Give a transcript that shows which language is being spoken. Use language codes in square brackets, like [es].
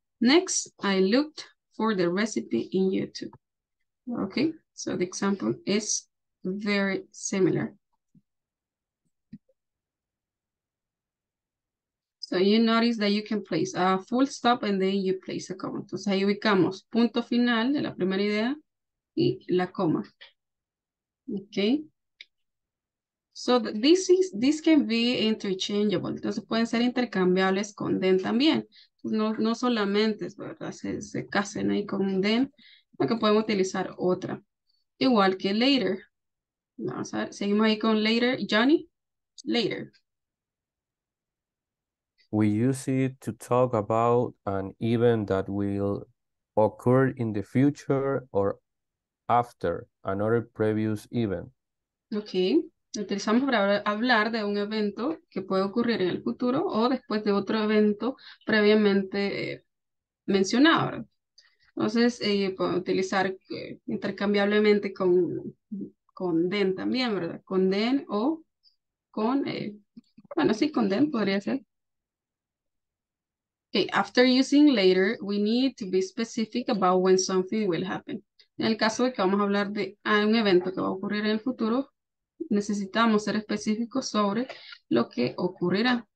[en] Next, I looked for the recipe in YouTube. Okay, so the example is very similar. So you notice that you can place a full stop and then you place a comma. [es] Entonces ahí ubicamos punto final de la primera idea y la coma. [en] Okay. So this can be interchangeable. [es] Entonces pueden ser intercambiables con then también. No solamente, ¿verdad? Se casen ahí con then, porque podemos utilizar otra. Igual que later. Vamos a ver, seguimos ahí con later. [en] Johnny, later. We use it to talk about an event that will occur in the future or after another previous event. Okay. [es] Utilizamos para hablar de un evento que puede ocurrir en el futuro o después de otro evento previamente mencionado. Entonces, puedo utilizar intercambiablemente con then también, ¿verdad? Con then o con, bueno, sí, con then podría ser. [en] Okay, after using later, we need to be specific about when something will happen. [es] En el caso de que vamos a hablar de un evento que va a ocurrir en el futuro, necesitamos ser específicos sobre lo que ocurrirá.